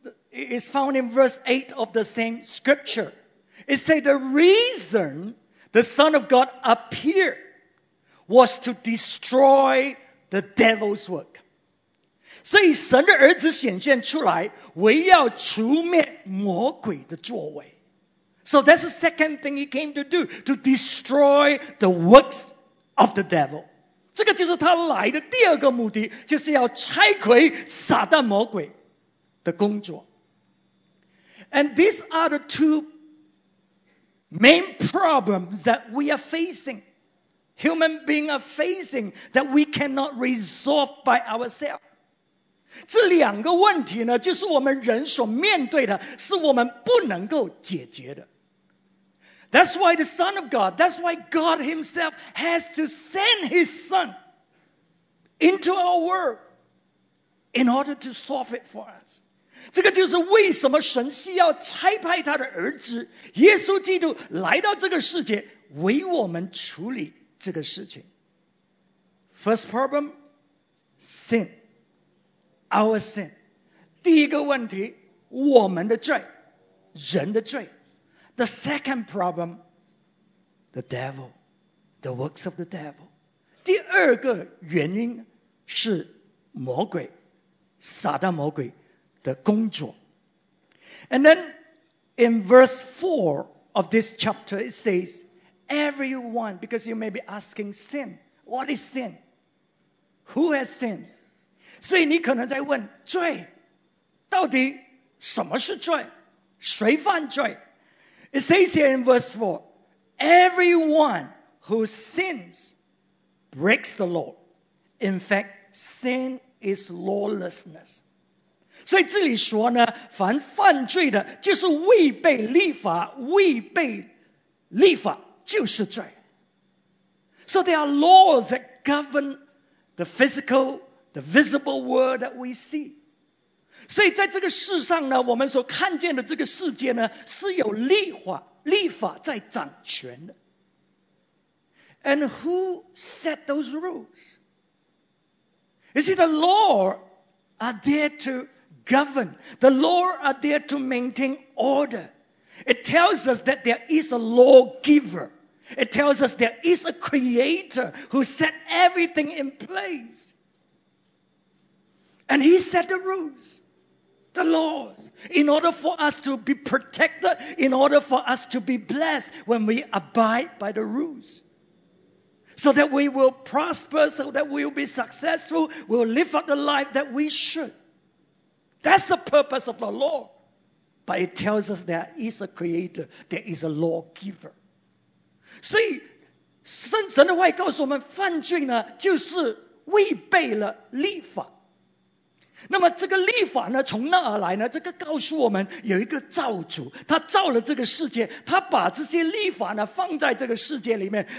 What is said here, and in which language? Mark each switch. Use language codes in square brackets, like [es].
[en] It is found in verse 8 of the same scripture. It says the reason the Son of God appeared was to destroy the devil's work. [zh] 所以神的儿子显现出来，为要除灭魔鬼的作为。 [en] So that's the second thing he came to do, to destroy the works of the devil. [zh] 这个就是他来的第二个目的，就是要拆毁撒旦魔鬼的工作。 [en] And these are the two main problems that we are facing. Human beings are facing that we cannot resolve by ourselves. [zh] 这两个问题呢，就是我们人所面对的，是我们不能够解决的。 [en] That's why the Son of God, that's why God Himself has to send His Son into our world in order to solve it for us. [zh] 这个就是为什么神需要差派他的儿子耶稣基督来到这个世界，为我们处理这个事情。 [en] First problem, sin. Our sin. [zh] 第一个问题，我们的罪，人的罪。 [en] The second problem, the devil, the works of the devil. [zh] 第二个原因是魔鬼，撒旦魔鬼的工作。 [en] And then in verse 4 of this chapter, it says, everyone, because you may be asking sin, what is sin? Who has sinned? [zh] 所以你可能在问，罪，到底什么是罪？谁犯罪？ [en] It says here in verse 4, everyone who sins breaks the law. In fact, sin is lawlessness. [zh] 所以这里说呢，凡犯罪的就是违背律法，违背律法就是罪。 [en] So there are laws that govern the physical, the visible world that we see. [zh] 所以在这个世上呢，我们所看见的这个世界呢，是有律法在掌权的。 [en] And who set those rules? You see, the law are there to govern. The law are there to maintain order. It tells us that there is a lawgiver. It tells us there is a creator who set everything in place. And he set the rules. The laws, in order for us to be protected, in order for us to be blessed when we abide by the rules. So that we will prosper, so that we will be successful, we'll live out the life that we should. That's the purpose of the law. But it tells us there is a creator, there is a lawgiver. [zh] 所以神的话告诉我们犯罪呢，就是违背了律法。那么这个律法呢，从哪儿来呢？这个告诉我们有一个造主，他造了这个世界，他把这些律法呢放在这个世界里面。